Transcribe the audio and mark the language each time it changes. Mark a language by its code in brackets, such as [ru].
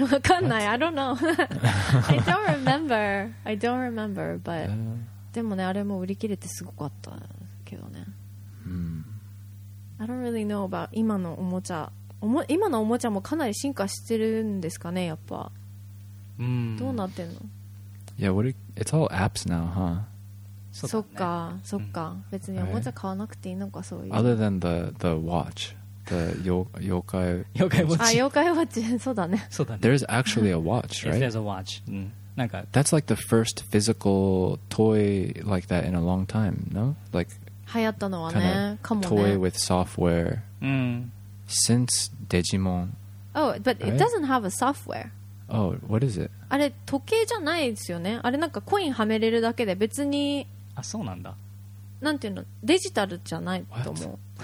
[ja] わかんない、 [en] I don't know. I don't remember. I don't remember. [ja] But、でもね、あれも売り切れてすごかったけどね。 [en] I don't really know about [ja] 今のおもちゃ今のおもちゃもかなり進化してるんですかね、やっぱ。どうなってんの？ [en] Yeah, what are, it's all apps now, huh? [ja] そっか、そっか。別におもちゃ買わなくていいのか、そういう。 [en] Other than the watch, the 妖怪 [ja] 妖怪ウォッチ。あ、妖怪ウォッチ、そうだね。そうだね。 [en] There's actually a watch, right? Yes, there's a watch. なんか。 That's like the first physical toy like that in a long time, no? Like, [ja] 流行ったのはね、かもね。 [en] Toy with software. Since Digimon. Oh, but it doesn't have a software. Oh, what is it? [ja] あれ時計じゃないですよね。あれなんかコインはめれるだけで別に。あ、そうなんだ。なんていうの、デジタルじゃないと思う。